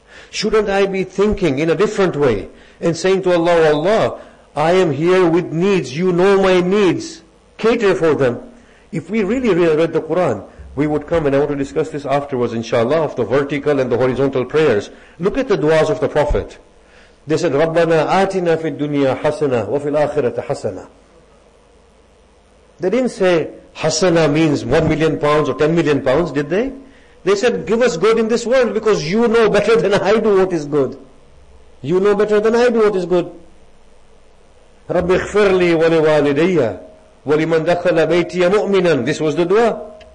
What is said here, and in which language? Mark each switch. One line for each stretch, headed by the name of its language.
English: Shouldn't I be thinking in a different way and saying to Allah, Allah, I am here with needs, you know my needs, cater for them. If we really read the Quran, we would come, and I want to discuss this afterwards, inshallah, of the vertical and the horizontal prayers. Look at the du'as of the Prophet. They said,
Arabic: رَبَّنَا آتِنَا فِي الدُّنْيَا حَسَنَا وَفِي الْآخِرَةَ حَسَنَا.
English: They didn't say, حَسَنَا means £1,000,000 or £10,000,000, did they? They said, give us good in this world, because you know better than I do what is good. You know better than I do what is good.
Arabic: رَبِّ اغْفِرْ لِي وَلِوَالِدَيَّ وَلِمَنْ دَخَلَ بَيْتِيَ مُؤْمِنًا.
English: This was the du'a.